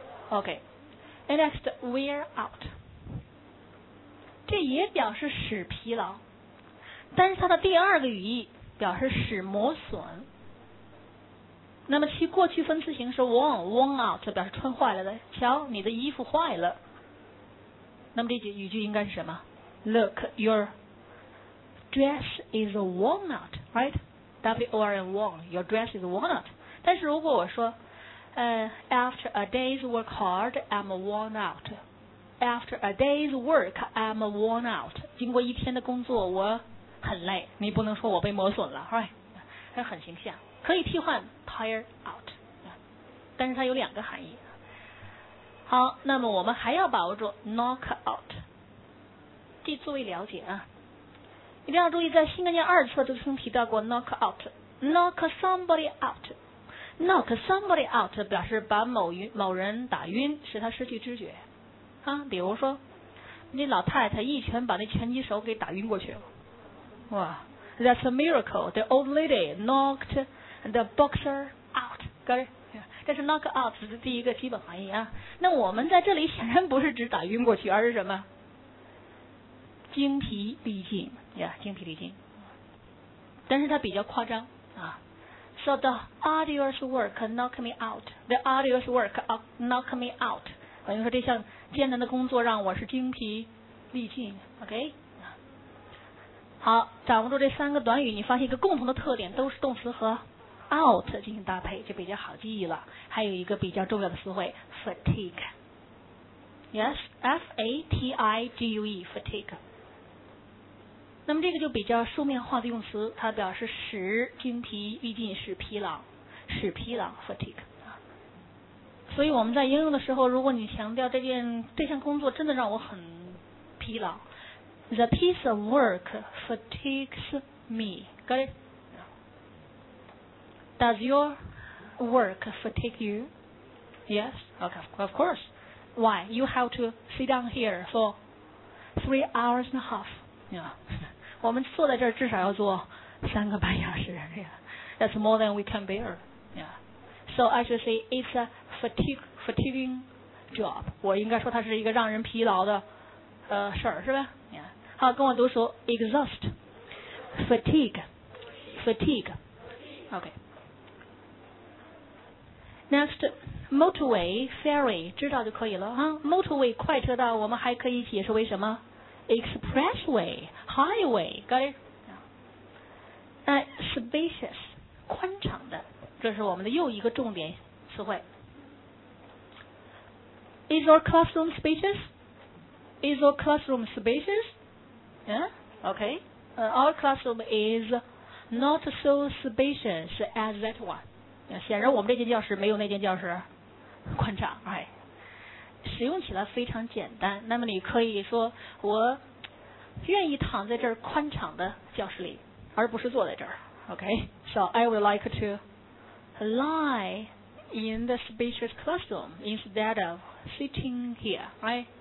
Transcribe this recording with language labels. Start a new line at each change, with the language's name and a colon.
English: OK， and next wear out，
Chinese: 这也表示使疲劳，但是它的第二个语义表示使磨损。那么其过去分词形式 worn out 表示穿坏了的，瞧你的衣服坏了。那么这句语句应该是什么
English: ？Look， your dress is worn out， right？ W-O-R-N, worn. Your dress is worn out.
Chinese: 但是如果我说
English: After a day's work hard, I'm worn out. After a day's work, I'm worn out.
Chinese: 经过一天的工作我很累，你不能说我被磨损了，是吧？很形象，可以替换 tire out， 但是它有两个含义。好，那么我们还要把握住 knock out， 这作为了解啊，一定要注意，在新概念二册就曾提到过 knock out， knock somebody out， knock somebody out 表示把某人打晕，使他失去知觉啊。比如说那老太太一拳把那拳击手给打晕过去了，哇，
English: that's a miracle， the old lady knocked the boxer out， got it？
Chinese: 这是 knock out 的第一个基本含义啊。那我们在这里显然不是指打晕过去，而是什么？精疲力尽呀，
English: yeah，
Chinese: 精疲力尽，但是它比较夸张啊。
English: So the arduous work knock me out. The arduous work knock me out.
Chinese: 等于说这项艰难的工作让我是精疲力尽。
English: OK。
Chinese: 好，掌握住这三个短语，你发现一个共同的特点，都是动词和 out 进行搭配，就比较好记忆了。还有一个比较重要的词汇 fatigue。
English: Yes, F-A-T-I-G-U-E, fatigue。
Chinese: 那么这个就比较书面化的用词，它表示使精疲力尽，使疲劳，使疲劳 fatigue。所以我们在应用的时候，如果你强调这项工作真的让我很疲劳 ，
English: the piece of work fatigues me， got it？ Does your work fatigue you？ Yes， okay， of course。 Why you have to sit down here for 3.5 hours？ Yeah。
Chinese: 我们坐在这儿至少要坐三个半小时，
English: That's more than we can bear， yeah。 So I should say it's a fatiguing job，
Chinese: 我应该说它是一个让人疲劳的事儿，是吧？
English: Yeah。
Chinese: 好，跟我读说 exhaust， fatigue， fatigue， OK。 Next motorway ferry， 知道就可以了啊。 Motorway 快车道，我们还可以解释为什么
English: Expressway, highway, got it？
Chinese: 那 spacious, 宽敞的，这是我们的又一个重点词汇。
English: Is your classroom spacious? Is your classroom spacious? Yeah, okay. Our classroom is not so spacious as that one.
Chinese: 显然我们这间教室没有那间教室宽敞，哎，使用起来非常简单。那么你可以说我愿意躺在这儿宽敞的教室里，而不是坐在这儿。
English: OK， so I would like to lie in the spacious classroom instead of sitting here， right？